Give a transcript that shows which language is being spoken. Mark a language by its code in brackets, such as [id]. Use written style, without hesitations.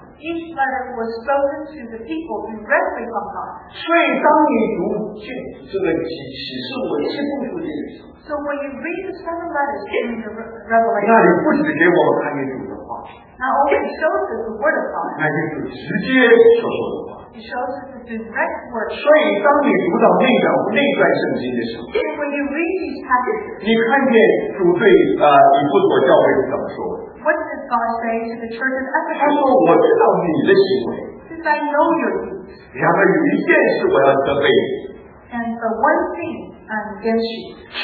[en] Each letter was spoken to the people directly from God. [zh] 所以当你读这个启示录七封书信的时候， [en] so when you read the seven letters in the Revelation, [zh] 那你不只给我们看见主的话， [en] not only shows us the word of God, [zh] 那就是直接所说的。 [en] He shows us the direct word. [zh] 所以当你读到那段圣经的时候， [en] when you read these passages, [zh] 你看见主对, 以弗所教会怎么说， [en] what does God say to the church of Ephesus? [zh] 他说我知道你的行为， [en] since I know your deeds, [zh] 然而有一件事我要责备， [en] and the one thing I'm against you,